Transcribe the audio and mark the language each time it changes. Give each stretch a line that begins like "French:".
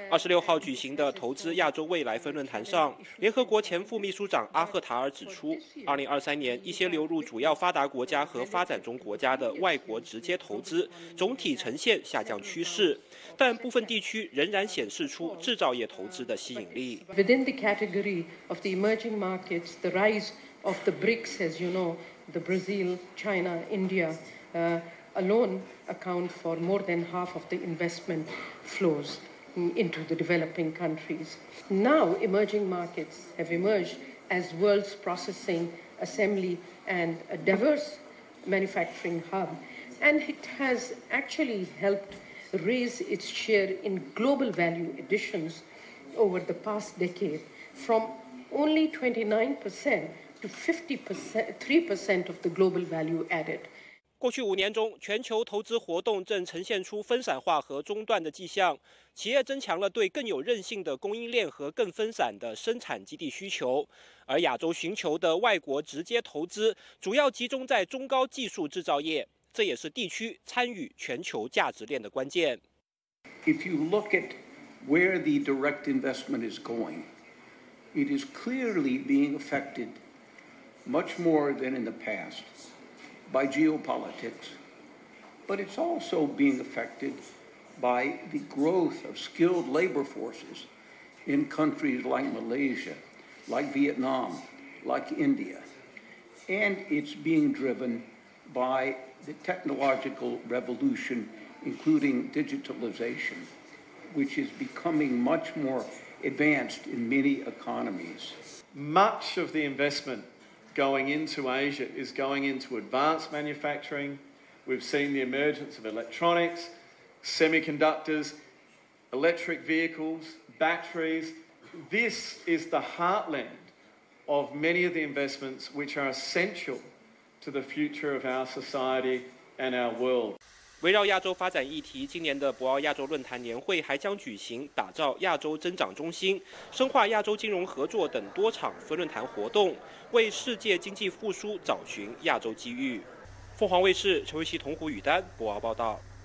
Chinese: 26号举行的投资亚洲未来分论坛上，联合国前副秘书长阿赫塔尔指出，2023年一些流入主要发达国家和发展中国家的外国直接投资总体呈现下降趋势，但部分地区仍然显示出制造业投资的吸引力。
English: Within the category of the emerging markets, the rise of the BRICS, as you know.The Brazil, China, India, alone account for more than half of the investment flows into the developing countries. Now, emerging markets have emerged as world's processing, assembly, and a diverse manufacturing hub, and it has actually helped raise its share in global value additions over the past decade from only 29% to 53% of the global value added.
Chinese: 过去五年中，全球投资活动正呈现出分散化和中断的迹象，企业增强了对更有韧性的供应链和更分散的生产基地需求，而亚洲寻求的外国直接投资主要集中在中高技术制造业，这也是地区参与全球价值链的关键。
English: If you look at where the direct investment is going, it is clearly being affected much more than in the past by geopolitics, but it's also being affected by the growth of skilled labor forces in countries like Malaysia, like Vietnam, like India, and it's being driven by the technological revolution, including digitalization, which is becoming much more advanced in many economies. Much of the investment going into Asia is going into advanced manufacturing. We've seen the emergence of electronics, semiconductors, electric vehicles, batteries. This is the heartland of many of the investments which are essential to the future of our society and our world.
Chinese: 围绕亚洲发展议题，今年的博鳌亚洲论坛年会还将举行打造亚洲增长中心、深化亚洲金融合作等多场分论坛活动，为世界经济复苏找寻亚洲机遇。凤凰卫视陈维希、同胡宇丹博鳌报道。